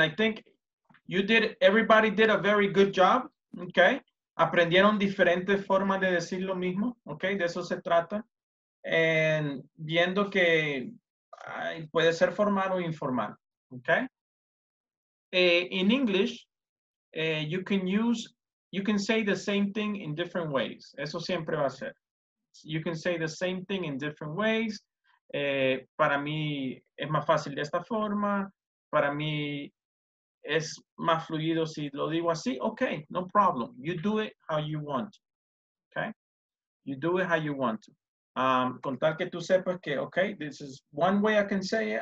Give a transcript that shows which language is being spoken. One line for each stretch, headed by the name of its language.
English: I think everybody did a very good job.
Spanish: Okay, aprendieron diferentes formas de decir lo mismo. Okay, de eso se trata. And viendo que puede ser formal o informal.
English: Okay, in English, you can say the same thing in different ways.
Spanish: Eso siempre va a ser.
English: You can say the same thing in different ways.
Spanish: Para mí es más fácil de esta forma. Para mí es más fluido si lo digo así.
English: Okay, no problem. You do it how you want. Okay? You do it how you want.
Spanish: Con tal que tú sepas que, okay,
English: this is one way I can say it.